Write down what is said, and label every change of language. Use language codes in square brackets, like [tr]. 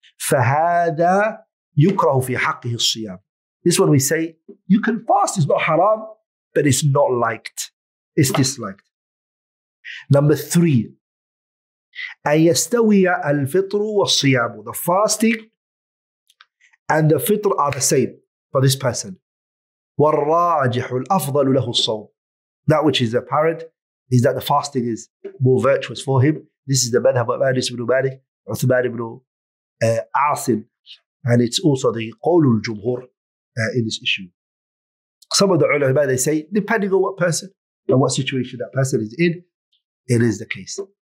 [ar] فهذا يكره في حقه الصيام. [en] This one we say, you can fast, it's not haram, but it's not liked. It's disliked. Number three. [ar] أن يستوي الفطر والصيام. [en] The fasting and the fitr are the same. For this person, [ar] والراجح الأفضل له الصوم. [en] That which is apparent is that the fasting is more virtuous for him. This is the madhhab of Anas ibn Malik, Uthman ibn Asim, and it's also the قول الجمهور in this issue. Some of the ulama, they say, depending on what person and what situation that person is in, it is the case.